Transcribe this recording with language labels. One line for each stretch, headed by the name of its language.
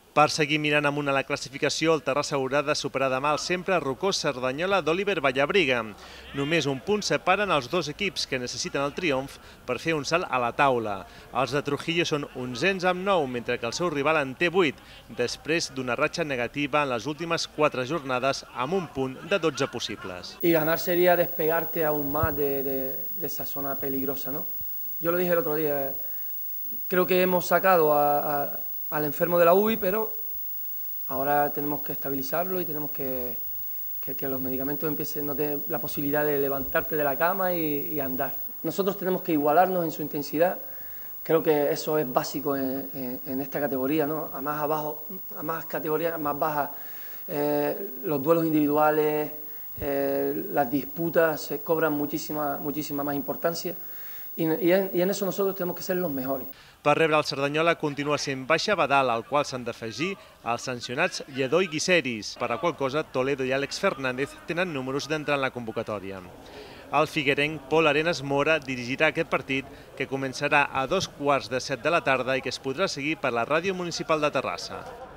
Catalan: Per seguir mirant amunt a la classificació, el Terrassa haurà de superar demà el sempre Rocós Cerdanyola d'Oliver Vallabriga. Només un punt separen els dos equips que necessiten el triomf per fer un salt a la taula. Els de Trujillo són 11ens amb 9, mentre que el seu rival en té 8, després d'una ratxa negativa en les últimes 4 jornades amb un punt de 12 possibles.
Spanish: Y ganar sería despegarte aún más de esa zona peligrosa, ¿no? Yo lo dije el otro día, creo que hemos sacado al enfermo de la UBI, pero ahora tenemos que estabilizarlo y tenemos que los medicamentos empiecen, no tengan la posibilidad de levantarte de la cama y andar. Nosotros tenemos que igualarnos en su intensidad, creo que eso es básico en esta categoría, ¿no? A más categoría, más baja, los duelos individuales, las disputas se cobran muchísima más importancia y en eso nosotros tenemos que ser los mejores.
Catalan: Per rebre el Cerdanyola continua sent Baixa Badal, al qual s'han d'afegir els sancionats Lledó i Guiseris. Per a qual cosa, Toledo i Àlex Fernández tenen números d'entrar en la convocatòria. El figuerenc Pol Arenas Mora dirigirà aquest partit, que començarà a 6:45 de la tarda i que es podrà seguir per la Ràdio Municipal de Terrassa.